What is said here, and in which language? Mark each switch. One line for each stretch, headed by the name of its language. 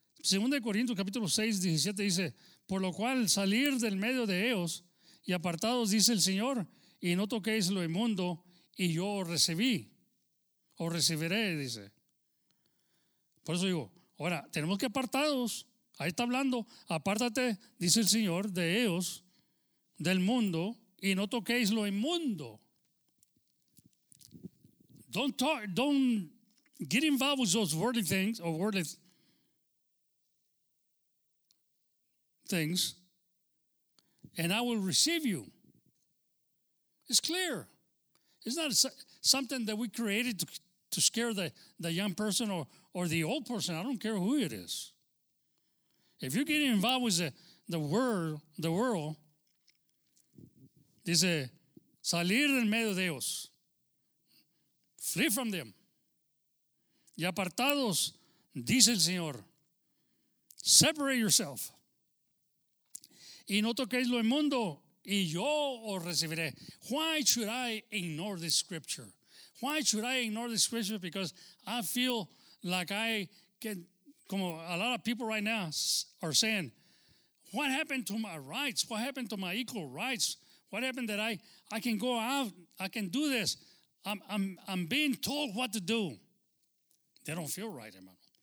Spanish: 2 Corintios capítulo 6, 17 dice, por lo cual salir del medio de ellos y apartados, dice el Señor, y no toquéis lo inmundo, y yo os recibí, o recibiré, dice. Por eso digo, ahora, tenemos que apartados, ahí está hablando, apártate, dice el Señor, de ellos, del mundo, y no toquéis lo inmundo.
English: Don't get involved with those worldly things, or worldly things, and I will receive you. It's clear. It's not something that we created to scare the young person or the old person. I don't care who it is. If you get involved with the world, dice, salir en medio de ellos. Flee from them.
Spanish: Y apartados, dice el Señor.
English: Separate yourself.
Spanish: Y no toquéis lo inmundo, y yo os recibiré.
English: Why should I ignore this scripture? Why should I ignore this scripture? Because I feel like I can, como a lot of people right now are saying, what happened to my rights? What happened to my equal rights? What happened that I can go out, I can do this? I'm being told what to do. They don't feel right, hermano.